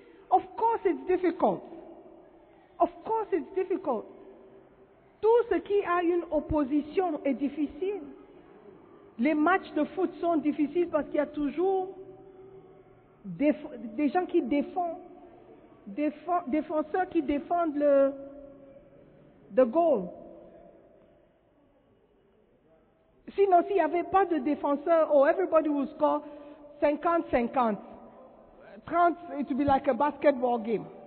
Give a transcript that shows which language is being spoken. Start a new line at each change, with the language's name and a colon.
English: Of course it's difficult. Of course it's difficult.
French: Tout ce qui a une opposition est difficile. Les matchs de foot sont difficiles parce qu'il y a toujours des gens qui défendent, défenseurs qui défendent le goal. Sinon, s'il n'y avait pas de défenseurs, oh,
English: everybody would score 50-50. 30, it would be like a basketball game.